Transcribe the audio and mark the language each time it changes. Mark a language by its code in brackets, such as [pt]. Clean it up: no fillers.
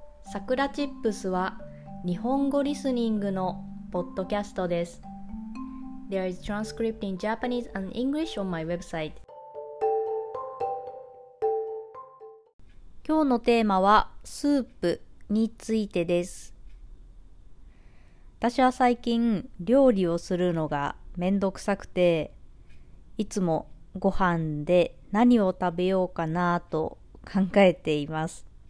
[ja] さくらチップスは日本語リスニングのポッドキャストです。 [en] There is transcript in Japanese and English on my website。 [ja] 今日のテーマはスープについてです。私は最近料理をするのがめんどくさくて、いつもご飯で何を食べようかなと考えています。